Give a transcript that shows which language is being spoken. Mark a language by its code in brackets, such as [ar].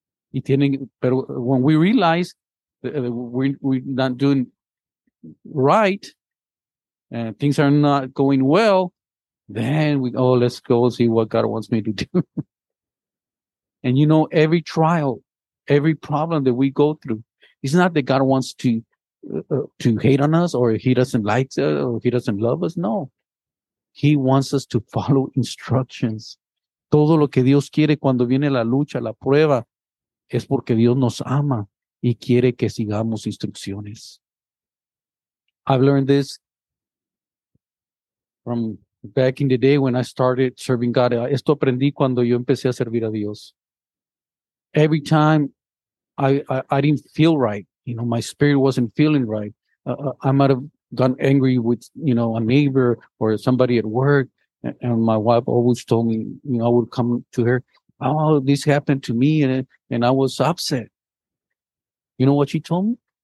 [es] Y tienen, pero [en] when we realize that we're not doing right and things are not going well, then we go, oh, let's go see what God wants me to do. And you know, every trial, every problem that we go through, it's not that God wants to hate on us, or he doesn't like us, or he doesn't love us. No. He wants us to follow instructions. [es] Todo lo que Dios quiere cuando viene la lucha, la prueba, es porque Dios nos ama y quiere que sigamos instrucciones. [en] I've learned this from back in the day when I started serving God. [es] Esto aprendí cuando yo empecé a servir a Dios. [en] Every time I didn't feel right, you know, my spirit wasn't feeling right. I might have gotten angry with, you know, a neighbor or somebody at work. And my wife always told me, you know, I would come to her, oh, this happened to me, and I was upset. You know what she told me?